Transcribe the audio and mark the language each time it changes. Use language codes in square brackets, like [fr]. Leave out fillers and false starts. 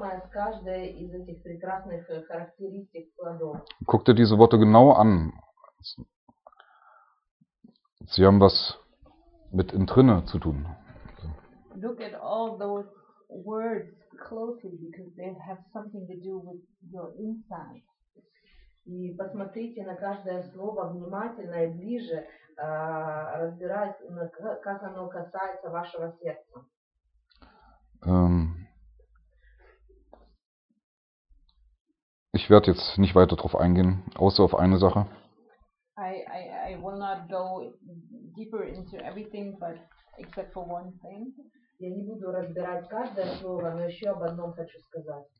[en] characteristics or whatever words are with me. [de] Guck dir diese Worte genau an. Sie haben was mit Intrinne zu tun. [en] Look at all those words closely because they have something to do with your inside. [ru] И посмотрите на каждое слово внимательно и ближе, разбираясь, как оно касается вашего сердца. [de] Ich werde jetzt nicht weiter drauf eingehen, außer auf eine Sache. [en] I will not go deeper into everything, but except for one thing. [ru] Я не буду разбирать каждое слово, но еще об одном хочу сказать.